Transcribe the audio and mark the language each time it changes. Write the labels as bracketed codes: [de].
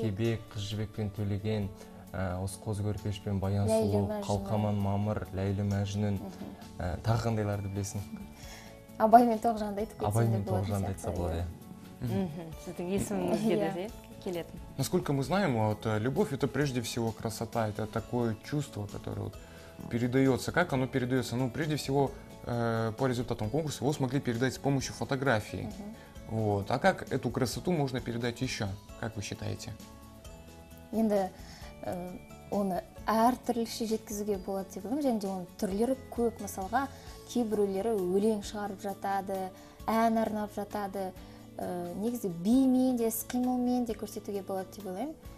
[kk] кебек, Қыз Жібекпен Төлеген, осы Қозы көрпеш пен Баян сұлу, Қалқаман мамыр, Ләйлі Мәжнүн, тағы қандайларды білесің? Абай мен Тоғжанды айтып кетсең де болады. Абай мен Тоғжанды айтса болады. Сіздің есіміңізге де келетін. [ru] Насколько мы знаем, вот любовь — это прежде всего красота, это такое чувство, которое вот передается. Как оно передается? Ну, прежде всего, по результатам конкурса его смогли передать с помощью фотографии. Вот. А как эту красоту можно передать еще? Как вы считаете? [kk] Енді оны әртүрліше жеткізуге болады деп ойлаймын, және де оның түрлері көп. Мысалға, кейбіреулері өлең шығарып жатады, ән арнап жатады. Негізі бимен де, іс-қимылмен де көрсетуге болады деп ойлаймын.